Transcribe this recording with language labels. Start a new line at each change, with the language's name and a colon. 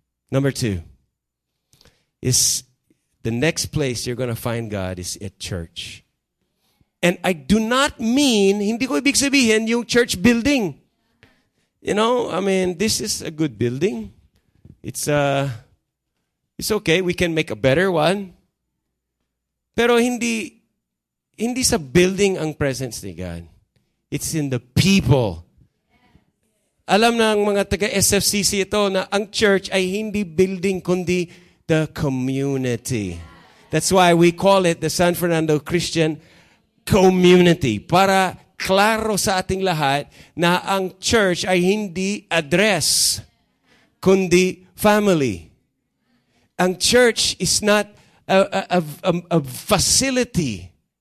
English: Number two, is the next place you're going to find God is at church. And I do not mean,
Filipino: hindi ko ibig sabihin yung
English: church building. You know, I mean, this is a good building. It's okay, we can make a better one.
Filipino: Pero hindi sa building ang presence ni God.
English: It's in the people.
Filipino: Alam na ang mga taga SFCC ito na ang church ay hindi building kundi
English: the community. That's why we call it the San Fernando Christian Community.
Filipino: Para klaro sa ating lahat na ang church ay hindi address kundi family.
English: Ang church is not a facility.